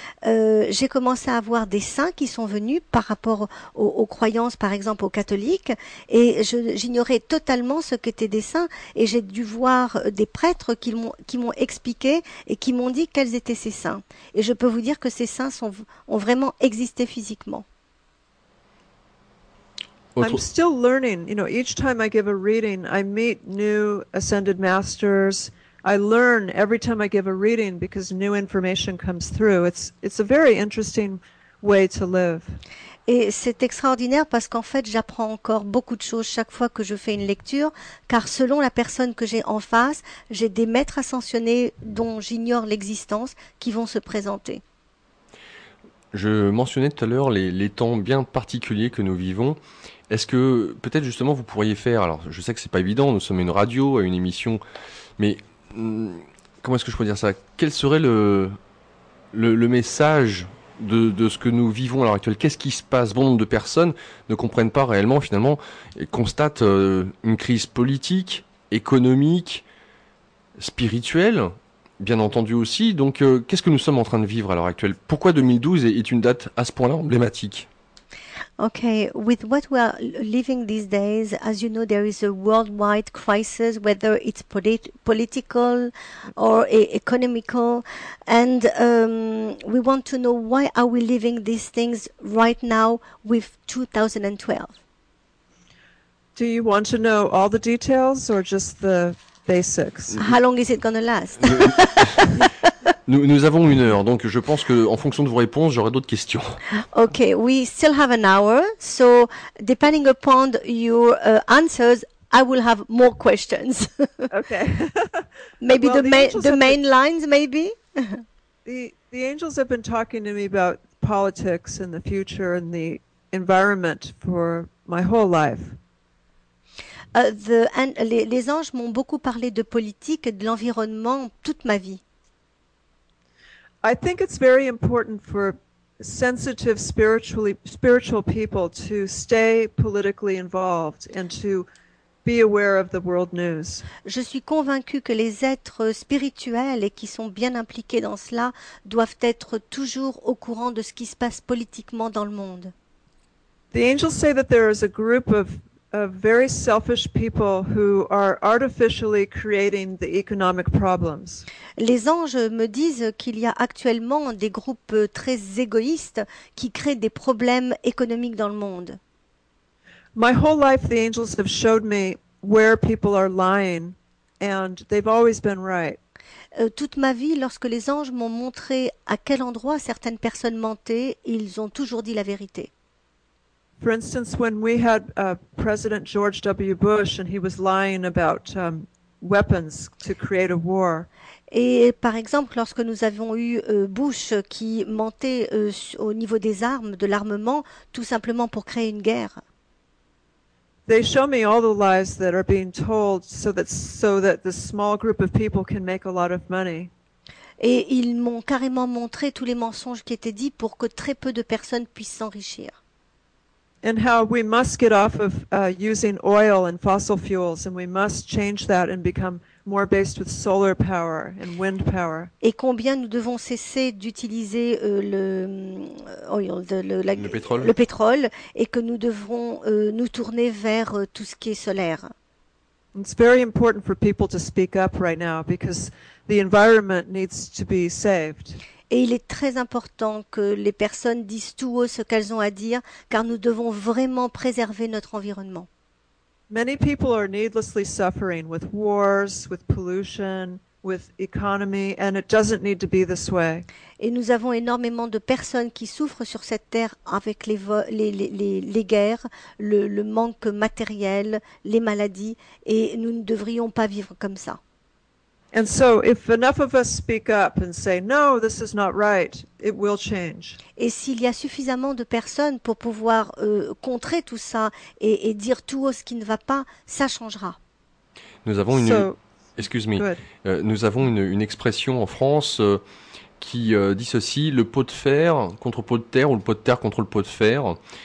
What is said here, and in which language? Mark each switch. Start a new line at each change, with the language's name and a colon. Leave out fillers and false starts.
French: j'ai commencé à avoir des saints qui sont venus par rapport aux croyances, par exemple aux catholiques, et j'ignorais totalement ce qu'étaient des saints, et j'ai dû voir des prêtres qui m'ont expliqué et qui m'ont dit quels étaient ces saints. Et je peux vous dire que ces saints ont vraiment existé physiquement.
English: I'm still learning, you know, each time I give a reading, I meet new ascended masters. I learn every time I give a reading because new information comes through. It's a very interesting way to live.
French: Et c'est extraordinaire parce qu'en fait, j'apprends encore beaucoup de choses chaque fois que je fais une lecture, car selon la personne que j'ai en face, j'ai des maîtres ascensionnés dont j'ignore l'existence qui vont se présenter. Je mentionnais tout à l'heure les temps bien particuliers que nous vivons. Est-ce que peut-être justement vous pourriez faire, alors je sais que c'est pas évident, nous sommes une radio, une émission, mais comment est-ce que je pourrais dire ça? Quel serait le message de ce que nous vivons à l'heure actuelle? Qu'est-ce qui se passe? Bon nombre de personnes ne comprennent pas réellement, finalement, et constatent une crise politique, économique, spirituelle, bien entendu aussi. Donc, qu'est-ce que nous sommes en train de vivre à l'heure actuelle? Pourquoi 2012 est une date à ce point-là emblématique?
English: Okay, with what we are living these days, as you know, there is a worldwide crisis, whether it's political or economical. And we want to know why are we living these things right now with 2012? Do you want to know all the details or just the basics? How long is it going to last?
French: Nous avons une heure, donc je pense qu'en fonction de vos réponses, j'aurai d'autres questions.
English: Ok, we still have an hour, so depending upon your answers, I will have more questions. Ok. Maybe well, the main lines, maybe? The angels have been talking to me about politics and the future and the environment for my whole life.
French: Les anges m'ont beaucoup parlé de politique et de l'environnement toute ma vie.
English: I think it's very important for sensitive spiritual people to stay politically involved and to be aware of the world news.
French: Je suis convaincue que les êtres spirituels et qui sont bien impliqués dans cela doivent être toujours au courant de ce qui se passe politiquement dans le monde.
English: The angels say that there is a group of very selfish people who are artificially creating the economic problems.
French: Les anges me disent qu'il y a actuellement des groupes très égoïstes qui créent des problèmes économiques dans le monde.
English: My whole life the angels have showed me where people are lying and they've always been right.
French: Toute ma vie, lorsque les anges m'ont montré à quel endroit certaines personnes mentaient, ils ont toujours dit la vérité.
English: For instance, when we had President George W. Bush and he was lying about weapons to create a war.
French: Et par exemple, lorsque nous avons eu Bush qui mentait au niveau des armes, de l'armement, tout simplement pour créer une guerre.
English: They show me all the lies that are being told so that this small group of people can make a lot of money.
French: Et ils m'ont carrément montré tous les mensonges qui étaient dits pour que très peu de personnes puissent s'enrichir.
English: And how we must get off of using oil and fossil fuels, and we must change that and become more based with solar power and wind power.
French: Et combien nous devons cesser d'utiliser le pétrole, et que nous devrons nous tourner vers tout ce qui est solaire.
English: It's very important for people to speak up right now because the environment needs to be saved.
French: Et il est très important que les personnes disent tout haut ce qu'elles ont à dire, car nous devons vraiment préserver notre environnement.
English: Many people are needlessly suffering with wars, with pollution, with economy, and it doesn't need to be this way.
French: Et nous avons énormément de personnes qui souffrent sur cette terre avec les guerres, le manque matériel, les maladies, et nous ne devrions pas vivre comme ça.
English: And so if enough of us speak up and say no, this is not right, it will change.
French: Et s'il y a suffisamment de personnes pour pouvoir contrer tout ça et dire tout haut ce qui ne va pas, ça changera. Nous avons une nous avons une expression en France qui dit ceci, le pot de fer contre pot de terre ou le pot de terre contre le pot de fer.